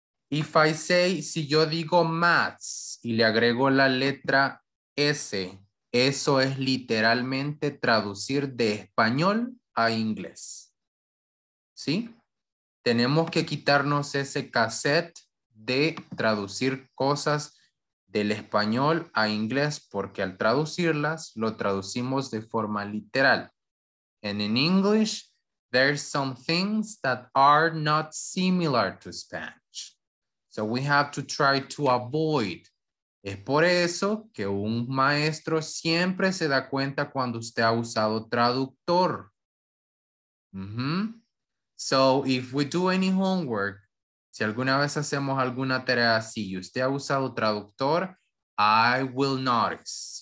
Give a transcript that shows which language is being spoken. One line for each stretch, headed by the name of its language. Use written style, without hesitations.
English: If I say,
Spanish: si yo digo maths y le agrego la letra S, eso es literalmente traducir de español a inglés. ¿Sí? Tenemos que quitarnos ese cassette de traducir cosas del español a inglés porque al traducirlas, lo traducimos de forma literal.
English: And in English, there's some things that are not similar to Spanish. So we have to try to avoid
Spanish: Es por eso que un maestro siempre se da cuenta cuando usted ha usado traductor. Mm-hmm.
English: So, if we do any homework,
Spanish: si alguna vez hacemos alguna tarea así y usted ha usado traductor,
English: I will notice.